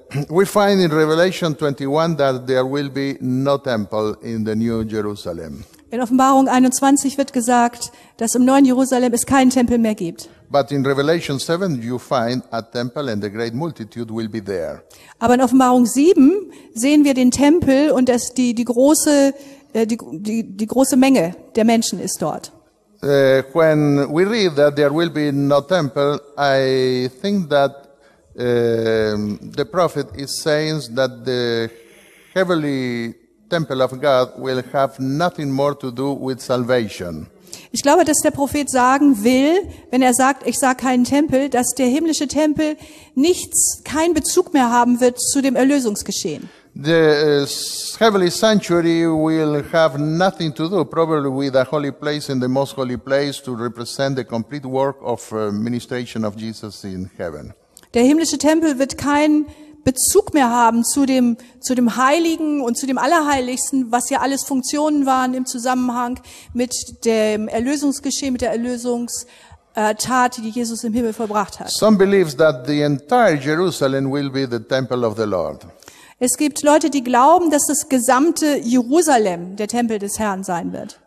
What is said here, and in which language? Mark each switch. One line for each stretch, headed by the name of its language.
English: We find in Revelation 21 that there will be no temple in the New Jerusalem.
German: In Offenbarung 21 wird gesagt, dass im neuen Jerusalem es keinen Tempel mehr gibt.
English: But in Revelation 7 you find a temple and the great multitude will be there.
German: Aber in Offenbarung 7 sehen wir den Tempel und dass die große Menge der Menschen ist dort.
English: When we read that there will be no temple, I think that the prophet is saying that the heavenly temple of God will have nothing more to do with salvation.
German: Ich glaube, dass der Prophet sagen will, wenn er sagt, ich sah keinen Tempel, dass der himmlische Tempel nichts, keinen Bezug mehr haben wird zu dem Erlösungsgeschehen.
English: The heavenly sanctuary will have nothing to do, probably with a holy place in the most holy place to represent the complete work of ministration of Jesus in heaven.
German: Der himmlische Tempel wird keinen Bezug mehr haben zu dem Heiligen und zu dem Allerheiligsten, was ja alles Funktionen waren im Zusammenhang mit dem Erlösungsgeschehen, mit der Erlösungstat, die Jesus im Himmel vollbracht hat.
English: Some believes that the entire Jerusalem will be the temple of the Lord.
German: Es gibt Leute, die glauben, dass das gesamte Jerusalem der Tempel des Herrn sein wird.